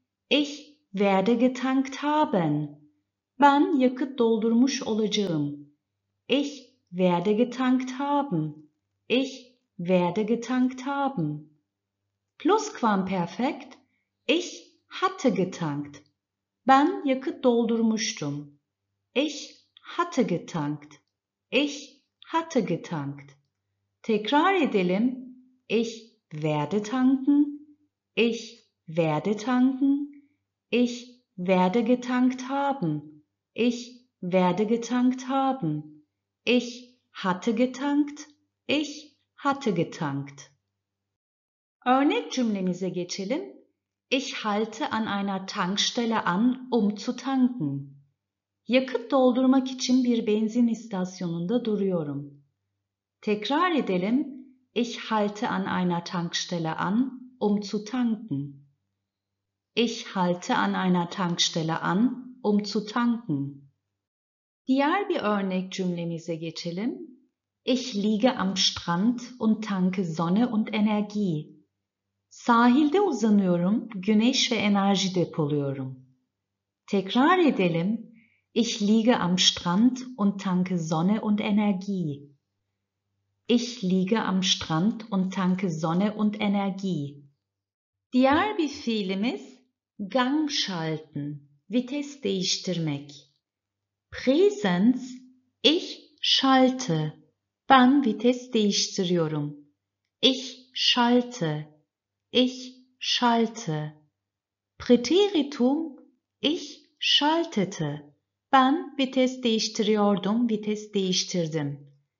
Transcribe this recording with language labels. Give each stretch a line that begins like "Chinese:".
German: Ich werde getankt haben.
Turkish: Ben yakıt doldurmuş olacağım.
German: Ich werde getankt haben. Ich werde getankt haben. Plusquamperfekt. Ich hatte getankt.
Turkish: Ben yakıt doldurmuştum.
German: Ich hatte getankt. Ich hatte getankt.
Turkish: Tekrar edelim.
German: Ich werde tanken. Ich werde tanken. Ich werde getankt haben. Ich werde getankt haben. Ich hatte getankt. Ich hatte getankt.
Turkish: Örnek cümlemize geçelim.
German: Ich halte an einer Tankstelle an, um zu tanken.
Turkish: Yakıt doldurmak için bir benzin istasyonunda duruyorum. Tekrar edelim.
German: Ich halte an einer Tankstelle an, um zu tanken. Ich halte an einer Tankstelle an, um zu tanken.
Turkish: Diğer bir örnek cümlemize geçelim.
German: Ich liege am Strand und tanke Sonne und Energie.
Turkish: Sahilde uzanıyorum, güneş ve enerji depoluyorum. Tekrar edelim.
German: Ich liege am Strand und tanke Sonne und Energie. Ich liege am Strand und tanke Sonne und Energie.
Turkish: Diğer bir fiilimiz
German: Gang schalten,
Turkish: vites değiştirmek.
German: Präsens, ich schalte.
Turkish: Ben vites değiştiriyorum.
German: Ich schalte. Ich schalte. Präteritum, ich schaltete.
Turkish: Ben vites değiştiriyordum, vites değiştirdim.